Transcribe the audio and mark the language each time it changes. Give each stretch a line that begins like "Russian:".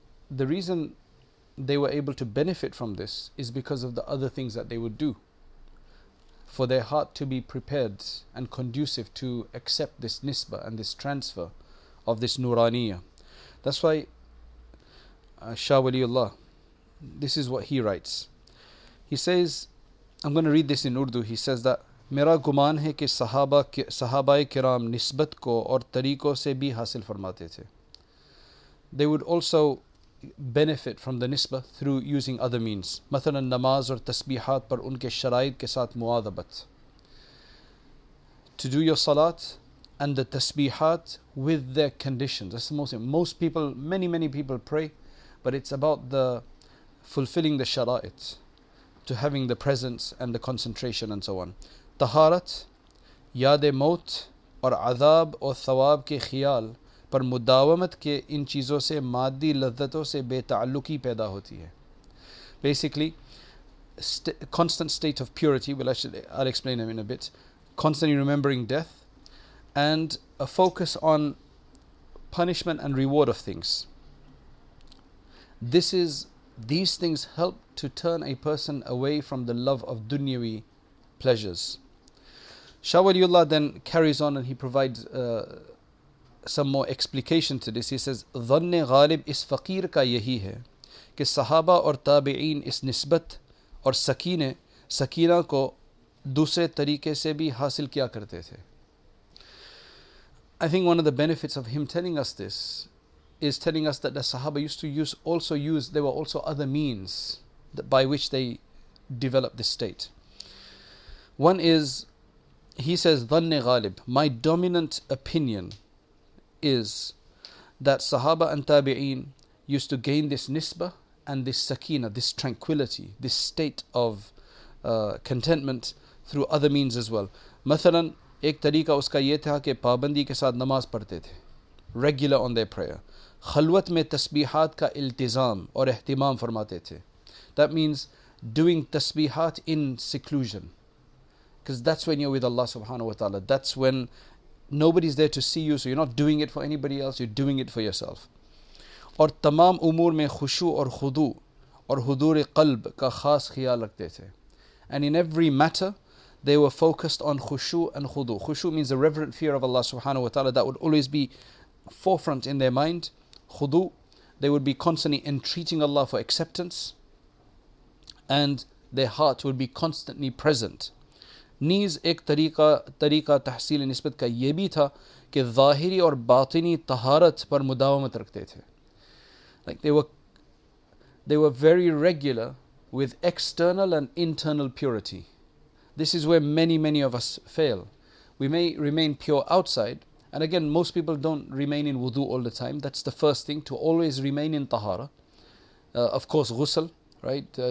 English: The reason they were able to benefit from this is because of the other things that they would do. For their heart to be prepared and conducive to accept this nisbah and this transfer of this nuraniyah. That's why Shah Waliullah, this is what he writes. He says, I'm going to read this in Urdu, he says that
Urdu: میرا گمان ہے کہ صحابہ کرام نسبت کو اور طریقوں سے بھی حاصل فرماتے تھے.
English: They would also benefit from the nisbah through using other means.
Urdu: مثلا نماز اور تسبیحات پر ان کے شرائط کے ساتھ معاذبت.
English: To do your salat and the tasbihat with their conditions. That's the most important. Most people, many people pray, but it's about the fulfilling the shara'it, to having the presence and the concentration and so on.
Urdu: طہارت یاد موت اور عذاب اور ثواب کے خیال پر مداومت کے ان چیزوں سے مادی لذتوں سے بے تعلقی پیدا ہوتی ہے.
English: Basically, constant state of purity, I'll explain them in a bit, constantly remembering death, and a focus on punishment and reward of things. These things help to turn a person away from the love of dunyawi pleasures. Shah Waliullah then carries on and he provides some more explication to this. He says,
Urdu: ظنِ غالب اس فقیر کا یہی ہے کہ صحابہ اور تابعین اس نسبت اور سکینہ کو دوسرے طریقے سے بھی حاصل کیا کرتے تھے.
English: I think one of the benefits of him telling us this is telling us that the Sahaba used to use, there were also other means that by which they developed this state. One is, he says, ظنِ غالب, my dominant opinion is that Sahaba and Tabi'een used to gain this nisbah and this sakina, this tranquility, this state of contentment through other means as well.
Urdu: مثلاً ایک طریقہ اس کا یہ تھا کہ پابندی کے ساتھ نماز پڑھتے تھے,
English: regular on their prayer.
Urdu: خلوت میں تسبیحات کا التزام اور اہتمام فرماتے تھے.
English: That means doing تسبیحات in seclusion. Because that's when you're with Allah subhanahu wa ta'ala. That's when nobody's there to see you, so you're not doing it for anybody else, you're doing it for yourself.
Urdu: اور تمام امور میں خشوع اور خضوع اور حضور قلب کا خاص خیال رکھتے تھے.
English: And in every matter, they were focused on خشوع and خضوع. خشوع means the reverent fear of Allah subhanahu wa ta'ala. That would always be forefront in their mind. خضوع, they would be constantly entreating Allah for acceptance. And their heart would be constantly present.
Urdu: نیز ایک طریقہ تحصیل نسبت کا یہ بھی تھا کہ ظاہری اور باطنی طہارت پر مداومت رکھتے تھے.
English: Like they were very regular with external and internal purity. This is where many of us fail. We may remain pure outside, and again, most people don't remain in wudu all the time. That's the first thing, to always remain in tahara. Of course, ghusl, right?